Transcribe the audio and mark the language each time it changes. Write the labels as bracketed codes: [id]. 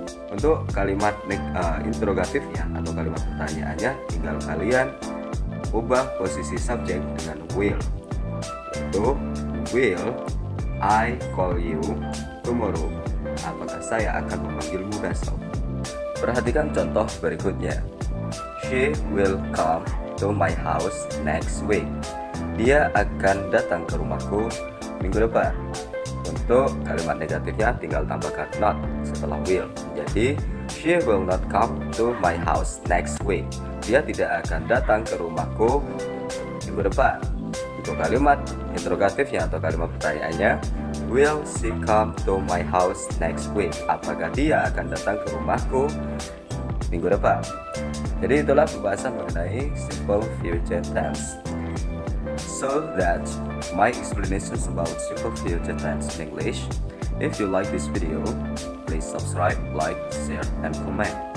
[id] Untuk kalimat interrogatifnya atau kalimat pertanyaannya, tinggal kalian ubah posisi subjek dengan will, yaitu [en] will I call you tomorrow, [id] apakah saya akan memanggilmu besok. Perhatikan contoh berikutnya. [en] She will come to my house next week. [id] Dia akan datang ke rumahku minggu depan. Untuk kalimat negatifnya tinggal tambahkan not setelah will. [en] Jadi, she will not come to my house next week. [id] Dia tidak akan datang ke rumahku minggu depan. Untuk kalimat interrogatifnya atau kalimat pertanyaannya, [en] will she come to my house next week? [id] Apakah dia akan datang ke rumahku minggu depan? Jadi itulah pembahasan mengenai simple future tense. [en] So that my explanations about simple future tense in English. If you like this video, please subscribe, like, share, and comment.